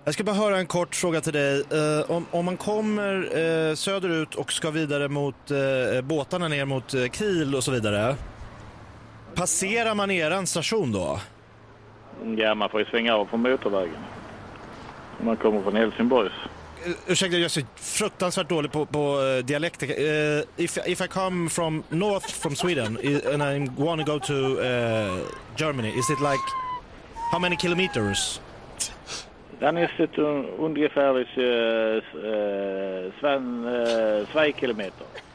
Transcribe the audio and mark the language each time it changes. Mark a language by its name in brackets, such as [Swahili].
[Swedish] Jag ska bara höra en kort fråga till dig. Om man kommer söderut och ska vidare mot båtarna ner mot Kiel och så vidare. Passerar man eran station då? Ja, man får ju svänga av på motorvägen. Om man kommer från Helsingborg. Ursäkta, jag är så fruktansvärt dålig på dialekter. [English] If I come from north from Sweden and I want to go to Germany, is it like how many kilometers? [Swedish] Den är sitt ungefär 2 kilometer.